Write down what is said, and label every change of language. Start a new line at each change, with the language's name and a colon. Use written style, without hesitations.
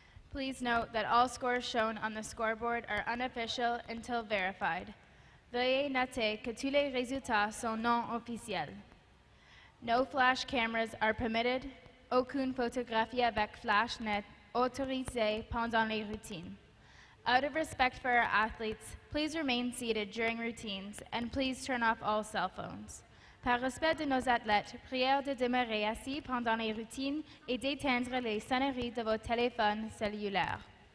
English: Please note that all scores shown on the scoreboard are unofficial until verified.
French: Veuillez noter que tous les résultats sont non officiels.
English: No flash cameras are permitted.
French: Aucune photographie avec flash n'est autorisée pendant les routines.
English: Out of respect for our athletes, please remain seated during routines and please turn off all cell phones.
French: Par respect de nos athlètes, prière de demeurer assis pendant les routines et d'éteindre les sonneries de vos téléphones cellulaires.